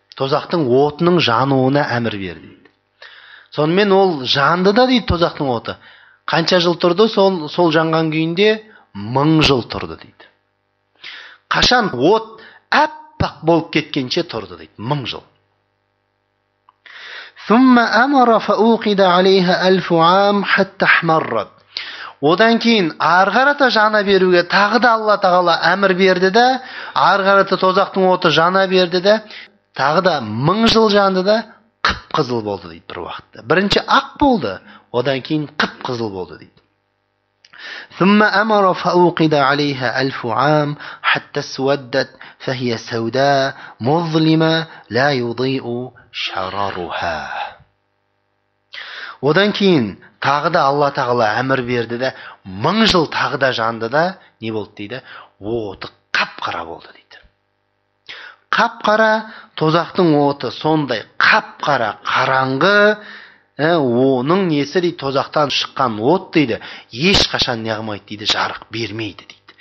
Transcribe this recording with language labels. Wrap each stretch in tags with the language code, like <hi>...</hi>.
<kk>Тозақтың отының жануына әмір берді дейді. Сонымен ол жанды да дейді, тозақтың оты. Қанша жыл тұрды, сол жанған күйінде 1000 жыл тұрды дейді. Қашан от әппақ болып кеткенше тұрды дейді, 1000 жыл.</kk> <ar>ثم امر فاوقد عليها 1000 عام حتى احمرت.</ar> <kk>Одан кейін ары қарата жана беруге тағы да Алла Тағала әмір берді де, ары қарата тозақтың оты жана берді де, тағы да 1000 жыл жанды да қып қызыл болды дейді бір уақытта. Бірінші ақ болды, одан кейін қып қызыл болды дейді.</kk> <ar>ثم امر فاوقد عليها 1000 عام حتى سودت فهي سوداء مظلمة لا يضيء шараруха.</ar> <kk>Одан кейін тағы да Алла Тағала әмір берді де, 1000 жыл тағы да жанды да, не болды дейді? Оты қап қара болды дейді. Қап қара тозақтың оты, сондай қап қара қараңғы оның несі дейді, тозақтан шыққан от дейді, ешқашан неғымайды дейді, жарық бермейді дейді.</kk>